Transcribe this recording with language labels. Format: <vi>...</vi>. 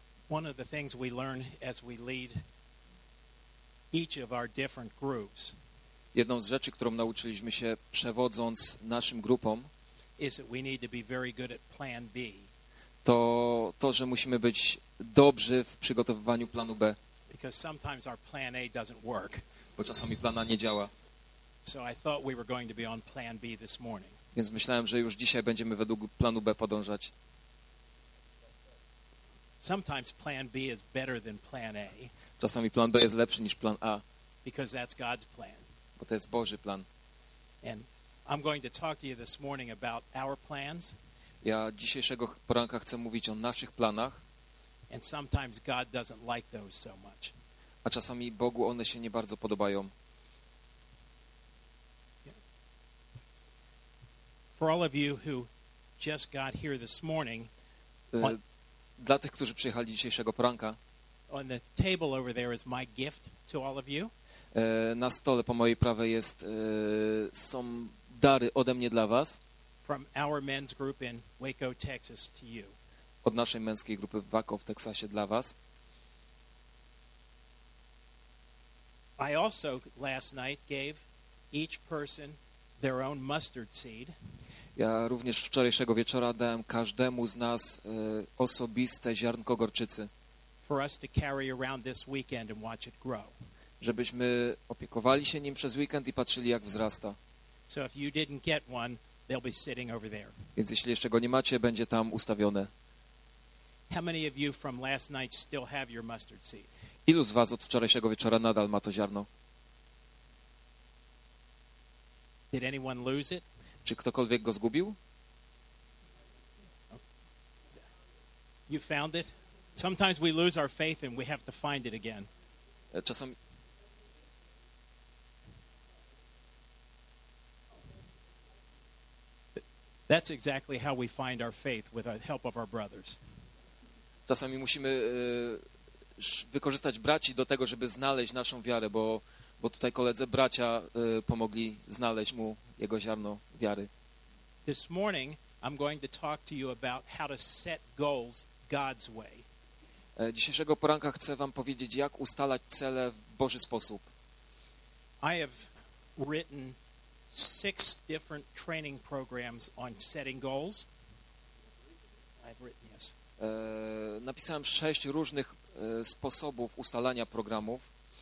<en>One of the things we learn as we lead each of our different groups.</en> <pl>Jedną z rzeczy, którą nauczyliśmy się przewodząc naszym grupom,</pl> <en>is that we need to be very good at plan B.</en> <pl>To, że musimy być dobrzy w przygotowywaniu planu B.</pl> <en>Because sometimes our plan A doesn't work.</en> <pl>Bo czasami plan A nie działa.</pl> <en>So I thought we were going to be on plan B this morning.</en> <pl>Więc myślałem, że już dzisiaj będziemy według planu B podążać.</pl> <en>Sometimes plan B is better than plan A.</en> <pl>Czasami plan B jest lepszy niż plan A.</pl> <en>Because that's God's plan.</en> <pl>Bo to jest Boży plan.</pl> <en>And I'm going to talk to you this morning about our plans.</en> <pl>Ja dzisiejszego poranka chcę mówić o naszych planach.</pl> <en>And sometimes God doesn't like those so much.</en> <pl>A czasami Bogu one się nie bardzo podobają.</pl> <en>For all of you who just got here this morning,</en> <pl>dla tych, którzy przyjechali dzisiejszego poranka,</pl> <en>on the table over there is my gift to all of you.</en> <pl>Na stole po mojej prawej jest są dary ode mnie dla was.</pl> <en>From our men's group in Waco, Texas, to you.</en> <pl>Od naszej męskiej grupy w Waco w Teksasie dla was.</pl> <en>I also last night gave each person their own mustard seed.</en> <pl>Ja również wczorajszego wieczora dałem każdemu z nas osobiste ziarnko gorczycy.</pl> <en>For us to carry around this weekend and watch it grow.</en> <pl>Żebyśmy opiekowali się nim przez weekend i patrzyli, jak wzrasta.</pl> <en>So if you didn't get one, they'll be sitting over there.</en> <pl>Więc jeśli jeszcze go nie macie, będzie tam ustawione.</pl> <en>How many of you from last night still have your mustard seed?</en> <pl>Ilu z was od wczorajszego wieczora nadal ma to ziarno?</pl> <en>Did anyone lose it?</en> <pl>Czy ktokolwiek go zgubił?</pl> <en>You found it? Sometimes we lose our faith and we have to find it again.</en> <pl>Czasami...</pl> <en>That's exactly how we find our faith with the help of our brothers.</en> <pl>Czasami musimy wykorzystać braci do tego, żeby znaleźć naszą wiarę, bo tutaj koledzy bracia pomogli znaleźć mu jego ziarno wiary.</pl> <en>This morning I'm going to talk to you about how to set goals God's way.</en> <pl>Dzisiejszego poranka chcę wam powiedzieć, jak ustalać cele w Boży sposób.</pl> <en>I have written 6 different training programs on setting goals. I've written, yes.</en> <pl>Napisałem 6 różnych sposobów ustalania programów.</pl>